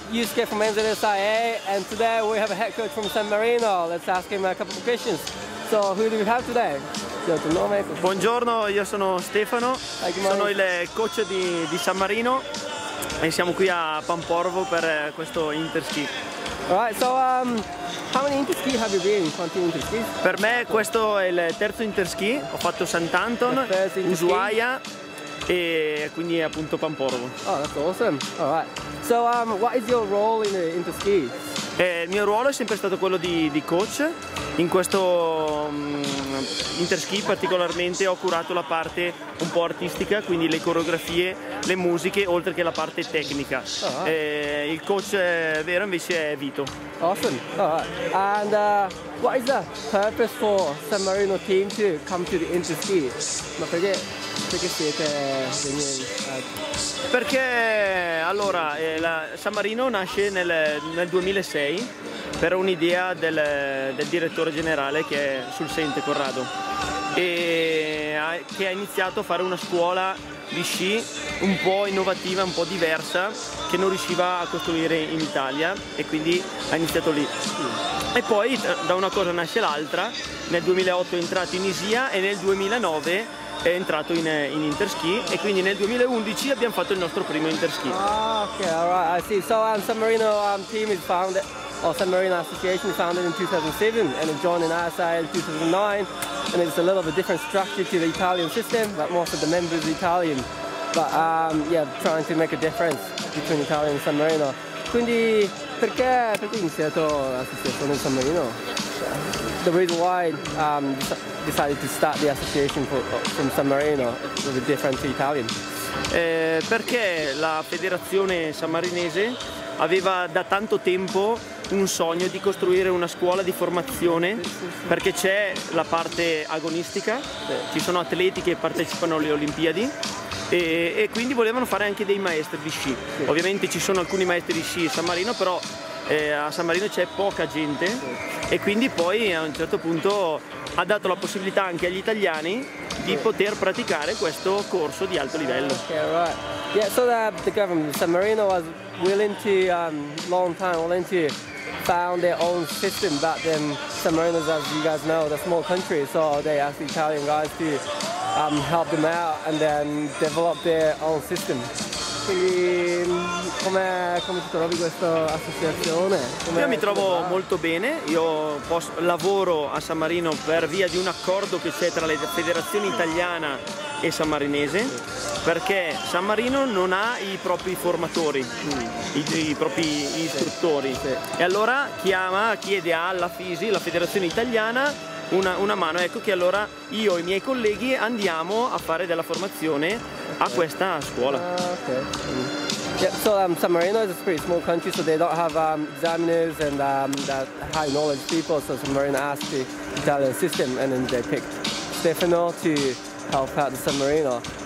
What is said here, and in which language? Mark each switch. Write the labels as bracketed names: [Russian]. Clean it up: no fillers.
[English] Yusuke from NZSIA, and today we have a head coach from San Marino. Let's ask him a couple of questions. So, who do we have today? [Italian] Buongiorno, io sono Stefano. Sono il coach di San Marino e siamo qui a Pamporvo per questo Interski. [English] Alright, so how many Interski have you been? 20 Interski? [Italian] Per me questo è il terzo Interski. Ho fatto Sant'Anton, Ushuaia e quindi appunto Pamporvo. [English] Oh, that's awesome. Alright. So what is your role in the Interski? [Italian] Il mio ruolo è sempre stato quello di coach. In questo Interski particolarmente ho curato la parte un po' artistica, quindi le coreografie, le musiche, oltre che la parte tecnica. [English] Oh, wow. [Italian] Il coach vero invece è Vito. [English] Awesome. Oh, wow. And what is the purpose for San Marino team to come to the Interski? [Italian] Ma perché siete venuti? Perché allora San Marino nasce nel 2006 per un'idea del direttore generale che è sul Sente Corrado e che ha iniziato a fare una scuola di sci un po' innovativa, un po' diversa che non riusciva a costruire in Italia e quindi ha iniziato lì. E poi da una cosa nasce l'altra, nel 2008 è entrato in ISIA e nel 2009 è entrato in Interski e quindi nel 2011 abbiamo fatto il nostro primo Interski. [English] Ah, ok, alright, I see. So San Marino team is founded, or San Marino Association is founded in 2007 and it joined in ISIA in 2009 and it's a little of a different structure to the Italian system, but most of the members are Italian. But yeah, trying to make a difference between Italy and San Marino. [Italian] Quindi perché è iniziato l'associazione in San Marino? [English] The reason why decided to start the association from San Marino was different to Italian. [Italian] Perché la federazione sammarinese aveva da tanto tempo un sogno di costruire una scuola di formazione, perché c'è la parte agonistica, ci sono atleti che partecipano alle Olimpiadi e quindi volevano fare anche dei maestri di sci. Ovviamente ci sono alcuni maestri di sci a San Marino, però a San Marino c'è poca gente e quindi poi a un certo punto ha dato la possibilità anche agli italiani di poter praticare questo corso di alto livello. [English] Okay, right. Yeah, so the government San Marino was willing to long time willing to found their own system, but then San Marino, as you guys know, the small country, so they asked the Italian guys to help them out and then develop their own system. [Italian] Come ti trovi questa associazione? Io mi trovo molto bene, lavoro a San Marino per via di un accordo che c'è tra la federazione italiana e sammarinese, perché San Marino non ha i propri formatori, i propri istruttori, e allora chiede alla FISI, la federazione italiana, una mano, ecco che allora io e i miei colleghi andiamo a fare della formazione a questa scuola. [English] So San Marino is a pretty small country, so they don't have examiners and that high knowledge people, so San Marino asked the Italian system and then they picked Stefano to help out the San Marino.